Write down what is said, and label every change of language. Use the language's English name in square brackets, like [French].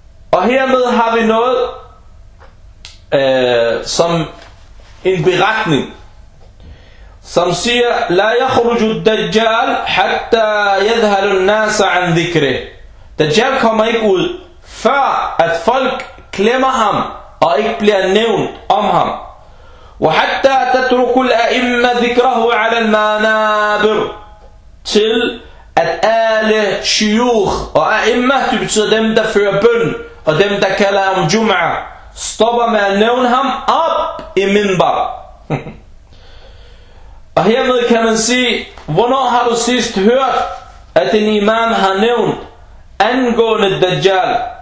[Danish] Og hermed har vi noget, som en beretning, som siger, [Arabic] لا يخرج الدجال حتى يذهل الناس عن ذكره. [Danish] Dajjal kommer ikke ud, før at folk klemmer ham og ikke bliver nævnt om ham. [Arabic] وحتى تترك الأئمة ذكره على المنابر. [Danish] Til at alle shuyukh og أئمة, det betyder dem der fører bøn og dem der kalder om jum'a, stopper med at nævne ham op i minbar. Og hermed kan man sige, hvornår har du sidst hørt, at en imam har nævnt angående Dajjal?